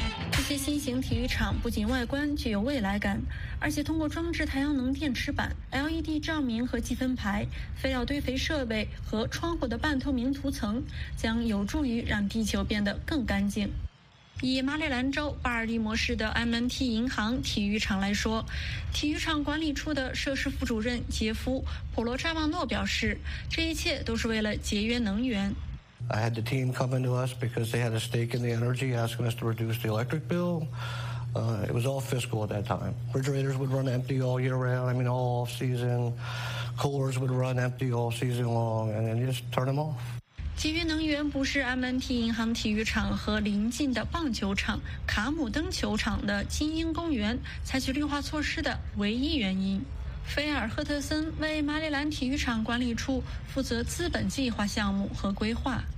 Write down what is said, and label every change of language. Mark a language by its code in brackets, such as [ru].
[zh] 这些新型体育场不仅外观具有未来感，而且通过装置太阳能电池板、 LED 照明和积分牌、废料堆肥设备和窗户的半透明涂层，将有助于让地球变得更干净。以马里兰州巴尔的摩市的 M&T 银行体育场来说，体育场管理处的设施副主任杰夫·普罗扎旺诺表示，这一切都是为了节约能源。 [en] I had the team come into us because they had a stake in the energy, asking us to reduce the electric bill. It was all fiscal at that time. Refrigerators would run empty all year round, I mean all off season. Coolers would run empty all season long, and then just turn them off. [zh] 节约能源不是 M&T 银行体育场和邻近的棒球场、卡姆登球场的精英公园采取绿化措施的唯一原因。菲尔·赫特森为马里兰体育场管理处负责资本计划项目和规划。